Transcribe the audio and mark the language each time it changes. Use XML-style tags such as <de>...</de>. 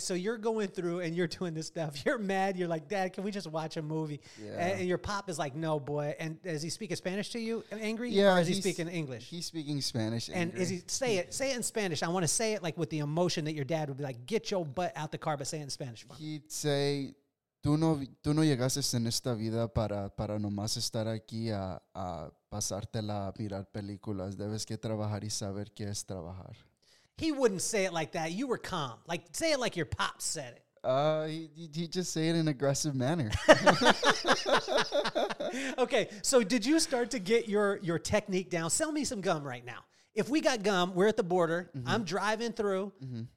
<en>So you're going through and you're doing this stuff. You're mad. You're like, "Dad, can we just watch a movie?" Yeah. And your pop is like, "No, boy." And is he speaking Spanish to you, angry? Yeah. Or is he speaking English? He's speaking Spanish, angry. And is he, say it in Spanish. I want to say it like with the emotion that your dad would be like, "Get your butt out the car," but say it in Spanish. He'd say,</en> <es>Tú no llegaste en esta vida para nomás estar aquí a pasártela a mirar películas. Debes que trabajar y saber qué es trabajar."</es> <en>He wouldn't say it like that. You were calm. Like, say it like your pop said it. He just say it in an aggressive manner. Okay, so did you start to get your technique down? Sell me some gum right now. If we got gum, we're at the border. Mm-hmm. I'm driving through. Mm-hmm.</en>